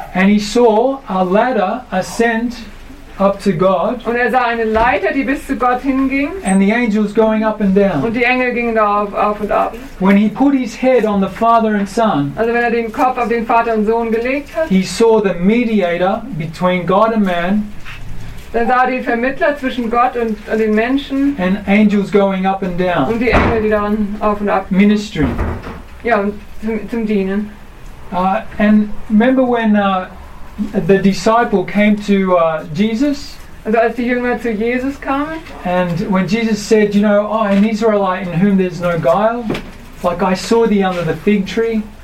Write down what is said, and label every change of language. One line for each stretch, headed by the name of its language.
English: And he saw a ladder ascend up to God.
German: Und er sah eine Leiter, die bis zu Gott hinging.
English: And the angels going up and down.
German: Und die Engel gingen da auf und ab.
English: When he put his head on the Father and Son.
German: Also wenn er den Kopf auf den Vater und Sohn gelegt hat.
English: He saw the mediator between God and man.
German: Dann sah er die Vermittler zwischen Gott und den Menschen.
English: And angels going up and down.
German: Und die Engel, die dann auf und ab.
English: Ministry.
German: Ja, und zum Dienen.
English: And remember when the disciple came to Jesus.
German: Also als die Jünger zu Jesus kamen.
English: And when Jesus said, you know, oh, an Israelite in whom there's no guile, like I saw thee under the fig tree.